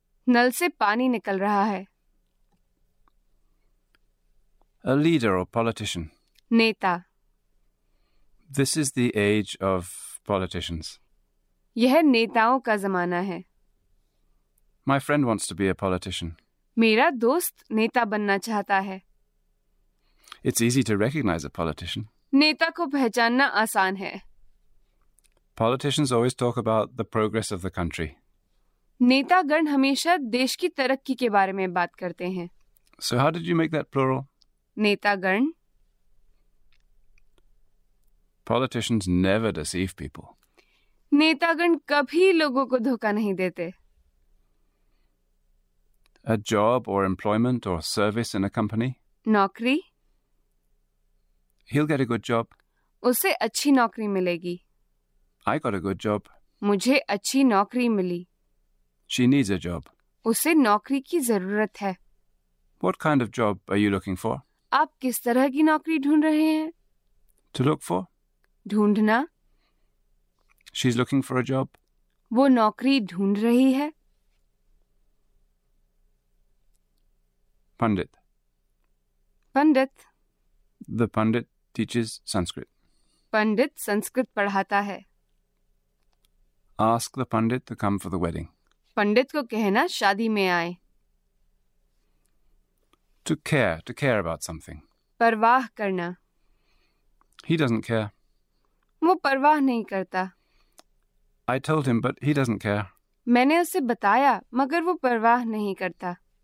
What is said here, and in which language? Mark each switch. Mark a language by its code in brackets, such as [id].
[hi] नल से पानी निकल रहा है। [en] A leader or politician. [hi] नेता। [en] This is the age of politicians. [hi] यह नेताओं का जमाना है। [en] My friend wants to be a politician. [hi] मेरा दोस्त नेता बनना चाहता है। [en] It's easy to recognize a politician. [hi] नेता को पहचानना आसान है। [en] Politicians always talk about the progress of the country. [hi] नेतागण हमेशा देश की तरक्की के बारे में बात करते हैं। [en] So how did you make that plural? [hi] नेतागण। [en] Politicians never deceive people. [hi] नेतागण कभी लोगों को धोखा नहीं देते। [en] A job or employment or service in a company? [hi] नौकरी। [en] He'll get a good job. [hi] उसे अच्छी नौकरी मिलेगी। [en] I got a good job. [hi] मुझे अच्छी नौकरी मिली। [en] She needs a job. [hi] उसे नौकरी की जरूरत है। [en] What kind of job are you looking for? [hi] आप किस तरह की नौकरी ढूंढ रहे हैं? [en] To look for? [hi] ढूंढना। [en] She's looking for a job. [hi] वो नौकरी ढूंढ रही है। [en] Pandit. Pandit. The Pandit teaches Sanskrit. [hi] Pandit Sanskrit पढ़ाता है। [en] Ask the Pandit to come for the wedding. [hi] पंडित को कहना शादी में आए। [en] To care about something. [hi] परवाह करना। [en] He doesn't care. [hi] वो परवाह नहीं करता। [en] I told him, but he doesn't care. [hi] मैंने उसे बताया, मगर वो परवाह नहीं करता।